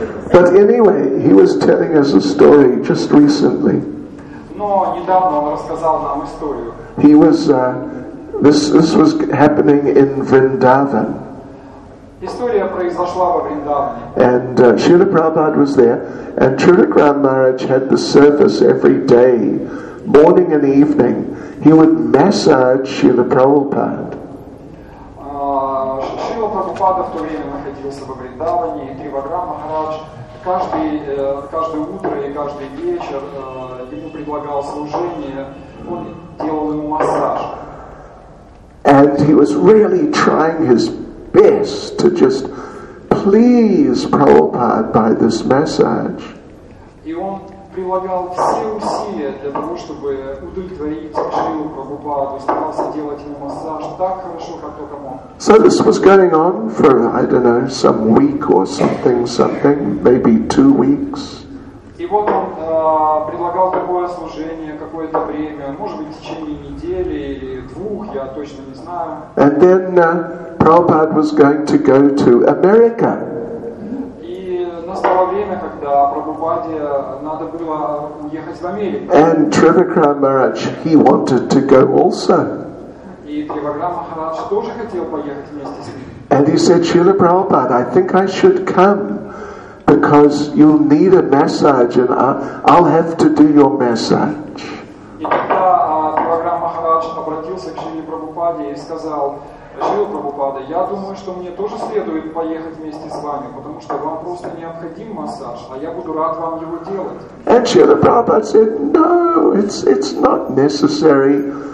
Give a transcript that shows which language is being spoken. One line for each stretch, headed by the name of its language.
English: But anyway, he was telling us a story just recently.
Russian: Но недавно он рассказал нам историю.
English: He was this was happening in Vrindavan.
Russian: История произошла во Вриндаване.
English: And Srila Prabhupada was there, and Srila Grand Maharaj had the service every day, morning and evening. He would massage Srila Prabhupada.
Russian: Srila Prabhupada в то время находился во Вриндаване, и Тривакрам Махарадж каждое утро и каждый вечер ему предлагал служение, он делал ему массаж.
English: And he was really trying his best to just please Prabhupada by this massage.
Russian: И он прилагал все усилия для того, чтобы удовлетворить Шрилу Прабхупаду, старался делать ему массаж так хорошо, как только мог.
English: So this was going on for, I don't know, some week or something, maybe 2 weeks.
Russian: И вот он предлагал такое служение какое-то время, может быть, в течение недели или двух, я точно не знаю.
English: And then Prabhupada was going to go to America.
Russian: И настало время, когда Прабхупаде надо было уехать в Америку.
English: And Тривакрам Махарадж, he wanted to go also.
Russian: И Тривакрам Махарадж тоже хотел поехать вместе с ним.
English: And he said, Srila Prabhupada, I think I should come. Because you'll need a massage, and I'll have to do your massage.
Russian: И тогда Тривакрам Махарадж обратился к Шриле Прабхупаде и сказал: Шрила Прабхупада, я думаю, что мне тоже следует поехать вместе с вами, потому что вам просто необходим массаж, а я буду рад вам его делать.
English: And Шрила Прабхупада said, No, it's not necessary.